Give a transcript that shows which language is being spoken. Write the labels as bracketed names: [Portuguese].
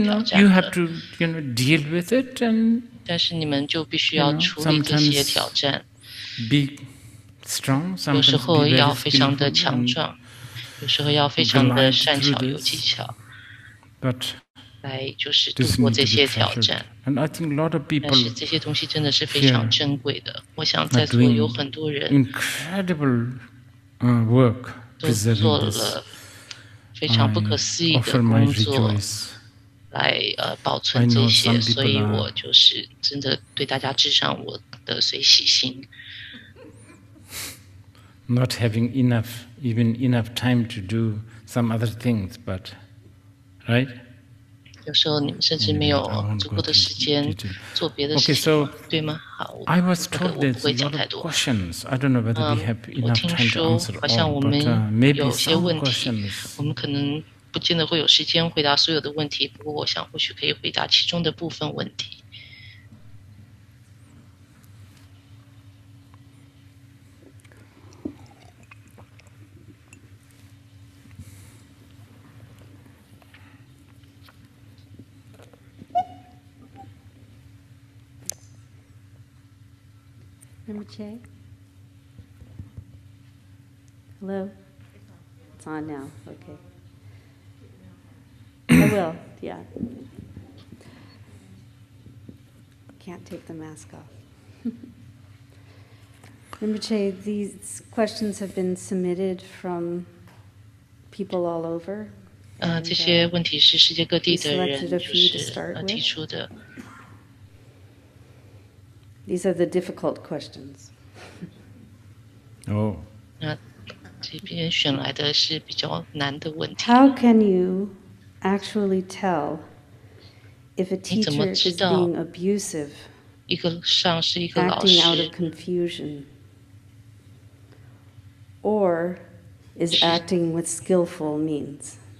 [English] know, you have to, you know, deal with it, and [Chinese] 但是你们就必须要处理这些挑战。 [English] Be strong. [Chinese] 有时候要非常的强壮，有时候要非常的善巧有技巧。 [English] But [Chinese] 来就是度过这些挑战。 [English] And I think a lot of people. [Chinese] 但是这些东西真的是非常珍贵的。我想在座有很多人。 [English] Incredible, work. [Chinese] 都做了非常不可思议的工作。来保存这些，所以我就是真的对大家致上我的随喜心。 [English] Not having enough, even enough time to do some other things, but right? [Chinese] 有时候你们甚至没有足够的时间做别的事情，对吗？好， [English] I was told there's a lot of questions. I don't know whether we have enough time to answer all, but maybe some questions. [Chinese] 我们可能不见得会有时间回答所有的问题，不过我想或许可以回答其中的部分问题。 [English] Number Che? Hello? It's on now, okay. I will, yeah. Can't take the mask off. Rinpoche, these questions have been submitted from people all over. [Chinese] 这些问题是世界各地的人就是提出的。 [English] These are the difficult questions. Oh. [Chinese] 那这边选来的是比较难的问题。 [English] How can you... actually tell if a teacher is being abusive, acting out of confusion, or is acting with skillful means?